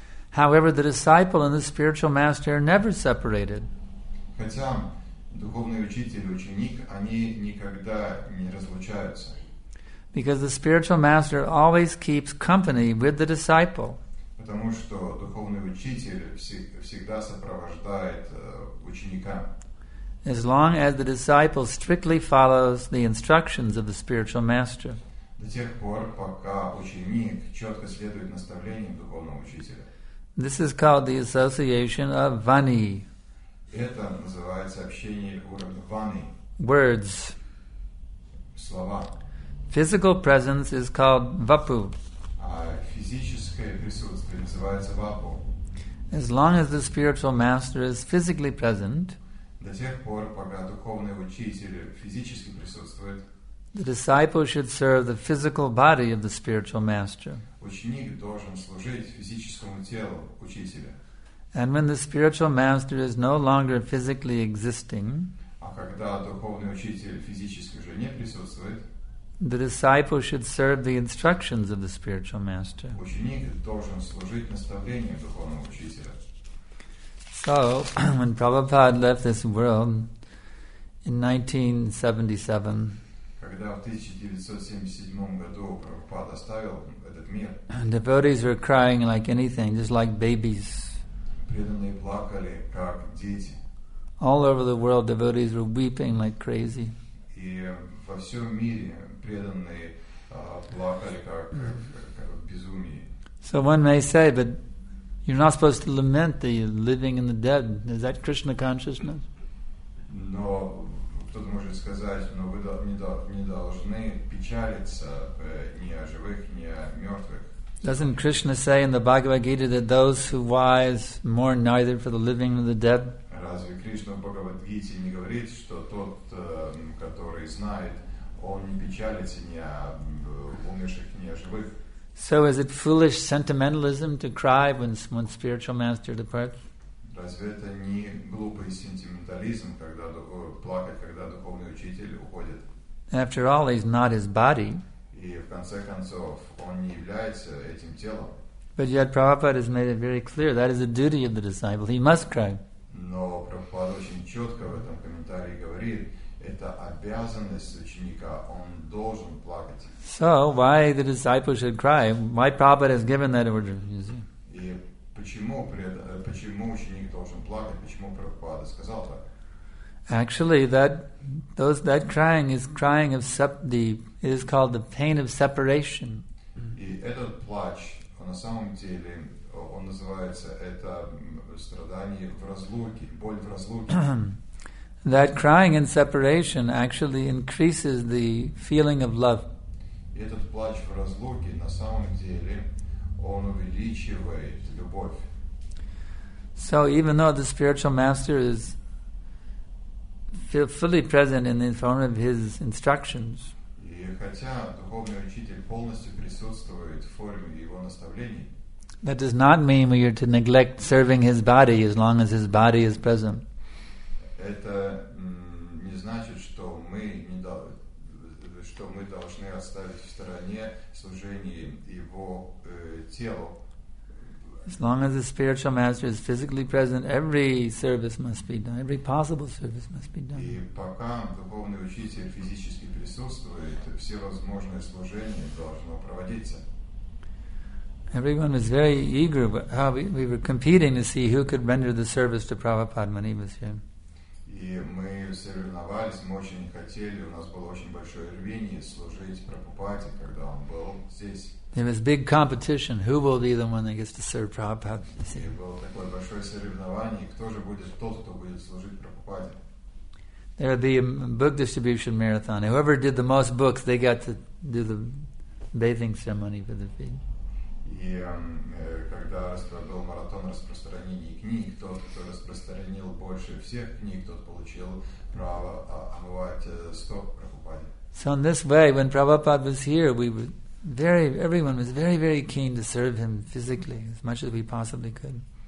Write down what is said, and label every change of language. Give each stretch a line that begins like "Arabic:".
English: However, the disciple and the spiritual master are never separated.
Russian: Хотя духовный учитель и ученик, они никогда не разлучаются.
English: Because the spiritual master always keeps company with the disciple.
Russian: Потому что духовный учитель всегда сопровождает ученика.
English: As long as the disciple strictly follows the instructions of the spiritual master.
Russian: До тех пор, пока ученик четко следует наставлениям духовного учителя.
English: This is called the association of vani.
Russian: Это называется общение уровня vani.
English: Words.
Russian: Слова.
English: Physical presence is called vapu.
Russian: А физическое присутствие называется vapu.
English: As long as the spiritual master is physically present,
Russian: до тех пор, пока духовный учитель физически присутствует,
English: the disciple should serve the physical body of the spiritual master.
Russian: Ученик должен служить физическому телу учителя.
English: And when the spiritual master is no longer physically existing,
Russian: а когда духовный учитель физически уже не присутствует,
English: the disciple should serve the instructions of the spiritual master.
Russian: Ученик должен служить наставлениям духовного учителя.
English: So, when Prabhupada left this world in 1977,
Russian: когда в 1977 году Прабхупада оставил этот мир,
English: devotees were crying like anything, just like babies.
Russian: Преданные плакали, как дети.
English: All over the world, devotees were weeping like crazy.
Russian: И во всем мире преданные плакали, как безумие.
English: So one may say, but you're not supposed to lament the living and the dead. Is that Krishna consciousness?
Russian: Но кто-то может сказать, но вы не должны печалиться ни о живых, ни о мертвых.
English: Doesn't Krishna say in the Bhagavad Gita that those who wise mourn neither for the living nor the dead?
Russian: Разве Кришна в Бхагавад Гите не говорит, что тот, который знает, он не печалится ни о умерших, ни о живых?
English: So is it foolish sentimentalism to cry when spiritual master departs?
Russian: Разве это не глупый сентиментализм, когда плакать, когда духовный учитель уходит?
English: After all, he's not his body.
Russian: И в конце концов, он не является этим телом.
English: But yet Prabhupada has made it very clear that is the duty of the disciple. He must cry.
Russian: Но Прабхупада очень четко в этом комментарии говорит, это обязанность ученика, он должен плакать.
English: So, why the disciple should cry? Why Prabhupada has given that order? You see?
Russian: И почему ученик должен плакать? Почему Прабхупада сказал так?
English: Actually, that crying is crying of it is called the pain of separation.
Russian: И этот плач, на самом деле, он называется, это страдание в разлуке, боль в разлуке.
English: That crying in separation actually increases the feeling of love.
Russian: Этот плач в разлуке, на самом деле, он увеличивает любовь.
English: So even though the spiritual master is fully present in the form of his instructions,
Russian: и хотя духовный учитель полностью присутствует в форме его наставлений,
English: that does not mean we are to neglect serving his body as long as his body is present.
Russian: Это не значит, что мы должны оставить в стороне служение его телу.
English: As long as the spiritual master is physically present, every service must be done. Every possible service must be done.
Russian: И пока духовный учитель физически присутствует, все возможные служения должны проводиться.
English: Everyone was very eager. We were competing to see who could render the service to Prabhupada when he was here.
Russian: И мы соревновались, мы очень хотели, у нас было очень большое рвение служить Прабхупаде, когда он был здесь.
English: There was big competition. Who will be the one that gets to serve Prabhupada?
Russian: И было такое большое соревнование, кто же будет тот, кто будет служить Прабхупаде?
English: There would be a book distribution marathon. Whoever did the most books, they got to do the bathing ceremony for the feet.
Russian: И когда был маратон распространения книг, тот, кто распространил больше всех книг, тот получил право омывать стоп Прабхупаде.
English: So in this way, when Prabhupada was here, we Everyone was very, very keen to serve him physically as much as we possibly could.